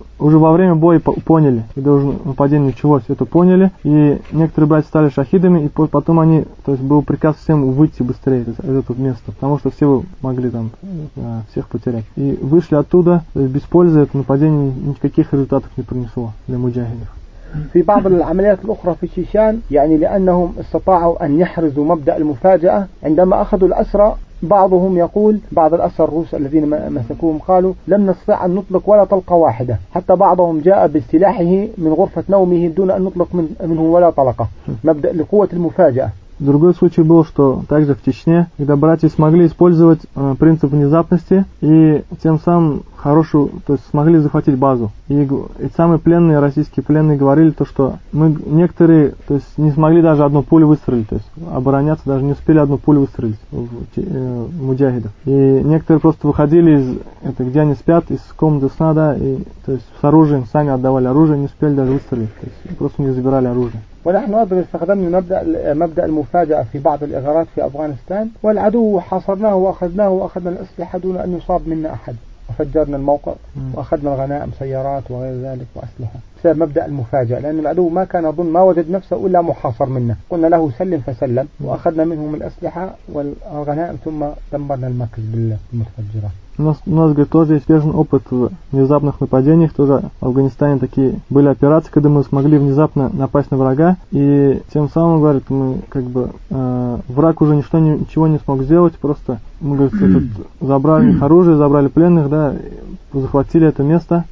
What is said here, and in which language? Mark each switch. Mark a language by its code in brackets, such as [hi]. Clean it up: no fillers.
[ru] Уже во время боя поняли, когда уже нападение началось, это поняли. И некоторые братья стали шахидами, и потом они, то есть был приказ всем выйти быстрее из этого места, потому что все могли там всех потерять. И вышли оттуда, то есть без пользы это нападение никаких результатов не принесло для муджахидов. [ar] في بعض العمليات الأخرى في شيشان يعني لأنهم استطاعوا أن يحرزوا مبدأ المفاجأة عندما أخذوا الأسرى بعضهم يقول بعض الأسرى الروس الذين مسكوهم قالوا لم نستطع أن نطلق ولا طلقة واحدة حتى بعضهم جاء بسلاحه من غرفة نومه دون أن نطلق منه ولا طلقة مبدأ لقوة المفاجأة [ru] Другой случай был, что также в Чечне, когда братья смогли использовать принцип внезапности и тем самым хорошую, то есть смогли захватить базу. И самые пленные, российские пленные говорили то, что мы некоторые, то есть не смогли даже одну пулю выстрелить, то есть обороняться даже не успели одну пулю выстрелить в муджахидов. И некоторые просто выходили из, это, где они спят, из комнаты сна, да, и то есть с оружием, сами отдавали оружие, не успели даже выстрелить, то есть просто не забирали оружие. [ar] ونحن أيضا استخدمنا مبدأ المفاجأة في بعض الإغارات في أفغانستان والعدو حاصرناه وأخذناه وأخذنا الأسلحة دون أن يصاب منا أحد وفجرنا الموقع وأخذنا الغنائم سيارات وغير ذلك وأسلحة بسبب مبدأ المفاجأة لأن العدو ما كان أظن ما وجد نفسه إلا محاصر منا قلنا له سلم فسلم وأخذنا منهم الأسلحة والغنائم ثم دمرنا المركز بالمتفجرة [ru] У нас, говорит, тоже есть свежий опыт в внезапных нападениях. Тоже в Афганистане такие были операции, когда мы смогли внезапно напасть на врага. И тем самым, говорит, мы как бы враг уже ничего не смог сделать. Просто мы, говорит, тут забрали оружие, забрали пленных, да, захватили это место.